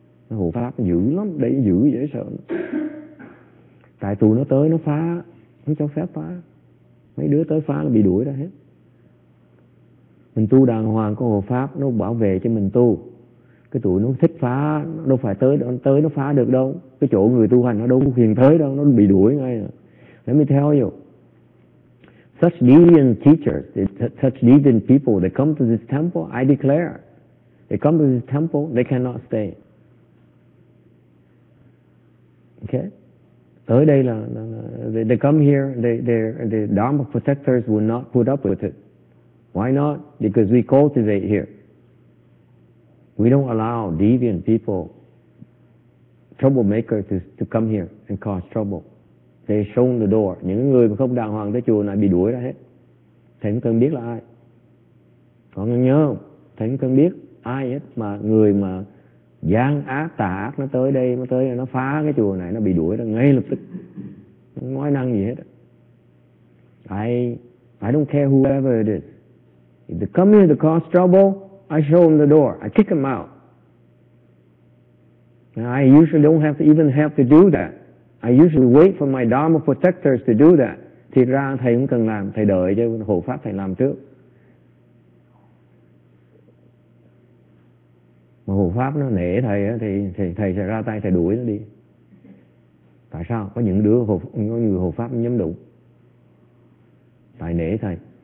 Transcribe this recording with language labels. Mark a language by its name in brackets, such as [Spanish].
[Vietnamese] Hộ pháp dữ lắm, đây dữ dễ sợ. Tại tụi nó tới nó phá, không cho phép phá. Mấy đứa tới phá là bị đuổi ra hết. Mình tu đàng hoàng có hộ pháp, nó bảo vệ cho mình tu. Cái tụi nó thích phá, nó đâu phải tới nó phá được đâu. Cái chỗ người tu hành nó đâu có quyền tới đâu, nó bị đuổi ngay rồi. [English] Let me tell you, such deviant teachers, such deviant people, they come to this temple, I declare, they come to this temple, they cannot stay. Okay? [Vietnamese] Tới đây là, [English] they come here, the Dharma protectors will not put up with it. Why not? Because we cultivate here. We don't allow deviant people, troublemakers to come here and cause trouble. They shown the door. [Vietnamese] Những người mà không đàng hoàng tới chùa này bị đuổi ra hết. Thầy không cần biết là ai. Có người nhớ không? Thầy không cần biết ai hết. Mà người mà gian ác tà ác nó tới đây, nó tới đây, nó phá cái chùa này, nó bị đuổi ra ngay lập tức. Không nói năng gì hết. [English] I don't care whoever it is. If they come here to cause trouble, I show them the door. I kick them out. And I usually don't have to even have to do that. I usually wait for my Dharma protectors to do that. [Vietnamese] Thì ra thầy cũng cần làm, thầy đợi cho hộ pháp thầy làm trước. Mà hộ pháp nó nể thầy á, thì thầy sẽ ra tay, thầy đuổi nó đi. Tại sao? Có những đứa hộ, có người hộ pháp nhắm đụng. Tại nể thầy.